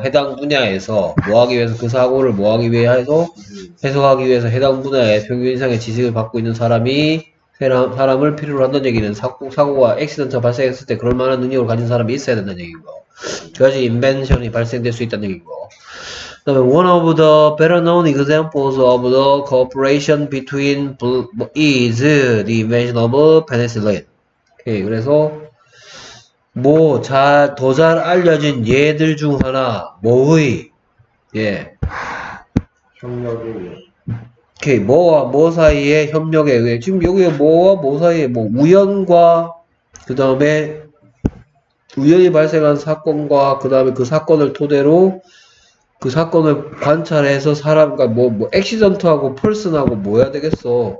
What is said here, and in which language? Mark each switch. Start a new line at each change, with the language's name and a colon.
Korean: 해당 분야에서 뭐 하기 위해서? 그 사고를 뭐 하기 위해서? 해석하기 위해서 해당 분야에 평균 이상의 지식을 갖고 있는 사람이 사람을 필요로 한다는 얘기는 사고가 액시던트가 발생했을 때 그럴 만한 능력을 가진 사람이 있어야 된다는 얘기고, 그래야지 인벤션이 발생될 수 있다는 얘기고. 그 다음에
English: one of the better known examples of the cooperation between is the invention of penicillin.
Korean: 오케이. 그래서 뭐 더 잘 알려진 예들 중 하나, 뭐의 예 협력이 오케이. 뭐와 뭐 사이의 협력에 의해 지금 여기에 뭐와 뭐 사이에 뭐 우연과 그 다음에 우연히 발생한 사건과 그 다음에 그 사건을 토대로 그 사건을 관찰해서 사람과 뭐 액시던트하고 펄슨하고 뭐 해야 되겠어?